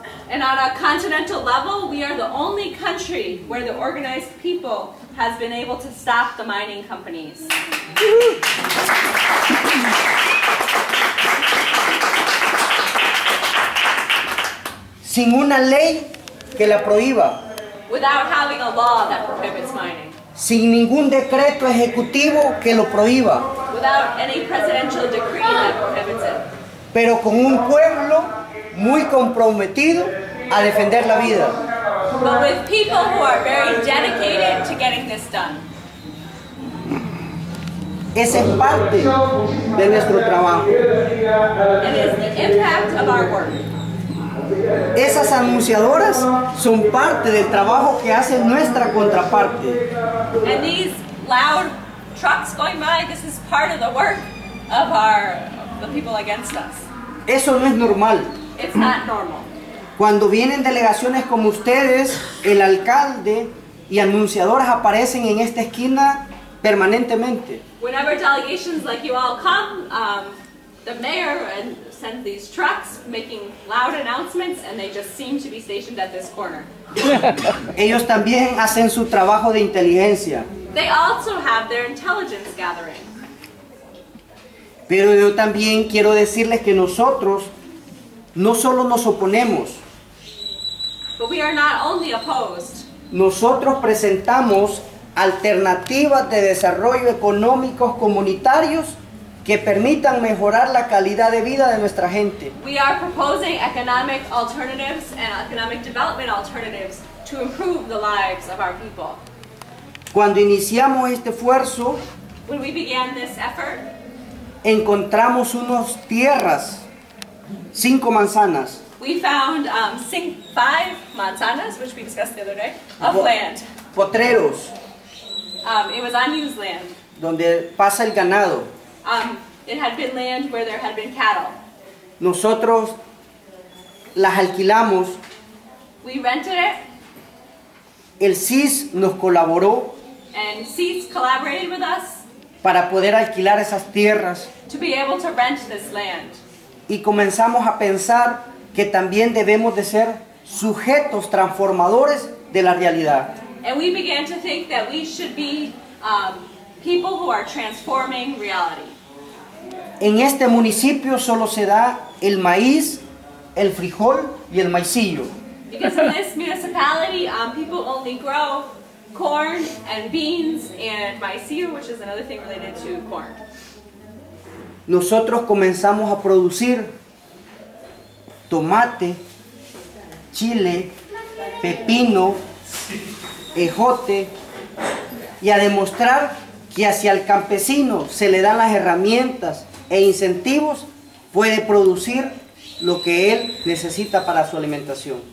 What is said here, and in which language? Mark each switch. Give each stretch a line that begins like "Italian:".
English: And on a continental level, we are the only country where the organized people has been able to stop the mining companies.
Spanish: Sin una ley que la prohíba.
English: Without having a law that prohibits mining.
Spanish: Sin ningún decreto ejecutivo que lo prohíba.
English: Without any presidential decree that prohibits it.
Spanish: Pero con un pueblo muy comprometido a defender la vida.
English: But with people who are very dedicated to getting this done.
Spanish: Ese es parte de nuestro trabajo.
English: It is the impact of our work.
Spanish: Esas anunciadoras son parte del trabajo que hace nuestra contraparte.
English: And these loud trucks going by, this is part of the work of our the people against us.
Spanish: Eso no es normal.
English: It's not normal.
Spanish: Cuando vienen delegaciones como ustedes, el alcalde y anunciadoras aparecen en esta esquina permanentemente.
English: Whenever delegations like you all come, the mayor and send these trucks making loud announcements and they just seem to be stationed at this corner.
Spanish: Ellos también hacen su trabajo de inteligencia.
English: They also have their intelligence gathering.
Spanish: Pero yo también quiero decirles que nosotros no solo nos oponemos.
English: But we are not only opposed.
Spanish: Nosotros presentamos alternativas de desarrollo económicos comunitarios que permitan mejorar la calidad de vida de nuestra gente.
English: We are proposing economic alternatives and economic development alternatives to improve the lives of our people.
Spanish: Cuando iniciamos este esfuerzo,
English: when we began this effort,
Spanish: encontramos unas tierras, 5 manzanas.
English: We found 5 manzanas, which we discussed the other day, of land.
Spanish: Potreros.
English: It was unused land.
Spanish: Donde pasa el ganado.
English: It had been land where there had been cattle.
Spanish: Nosotros las alquilamos.
English: We rented it.
Spanish: El CIS nos colaboró.
English: And CIS collaborated with us.
Spanish: Para poder alquilar esas tierras.
English: To be able to rent this land.
Spanish: Y comenzamos a pensar que también debemos de ser sujetos transformadores de la realidad.
English: And we began to think that we should be people who are transforming reality.
Spanish: En este municipio solo se da el maíz, el frijol y el maicillo.
English: Because in this municipality, people only grow corn and beans and maicillo, which is another thing related to corn.
Spanish: Nosotros comenzamos a producir tomate, chile, pepino, ejote, y a demostrar que hacia el campesino se le dan las herramientas e incentivos puede producir lo que él necesita para su alimentación.